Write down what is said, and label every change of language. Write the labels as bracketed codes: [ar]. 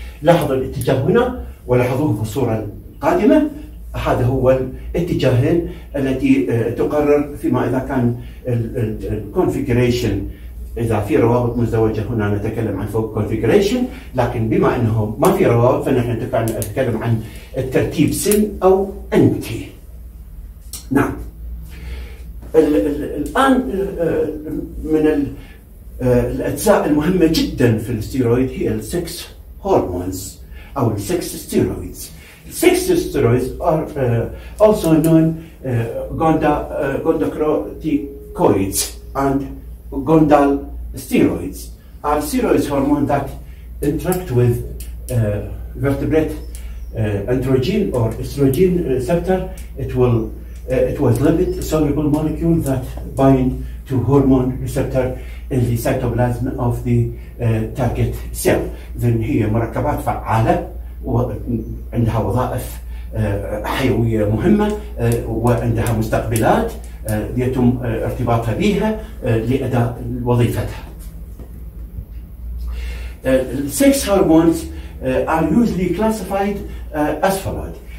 [ar] لاحظوا الاتجاه هنا ولاحظوه في الصوره القادمه، هذا هو الاتجاهين التي تقرر فيما اذا كان الكونفيجريشن، اذا في روابط مزدوجه هنا نتكلم عن فوق كونفيجريشن، لكن بما انه ما في روابط فنحن نتكلم عن الترتيب سن او انتي. نعم. الان من الاجزاء المهمه جدا في الستيرويد هي السكس هرمونز او السكس ستيرويدز. [en] Six steroids are also known gonadocorticoids and gonadal steroids are steroids hormones that interact with vertebrate androgen or estrogen receptor. It was lipid soluble molecule that bind to hormone receptor in the cytoplasm of the target cell. [ar] Then هي مركبات فعالة وعندها وظائف حيوية مهمة وعندها مستقبلات يتم ارتباطها بها لأداء وظيفتها. [en] Sex hormones are usually classified as followed.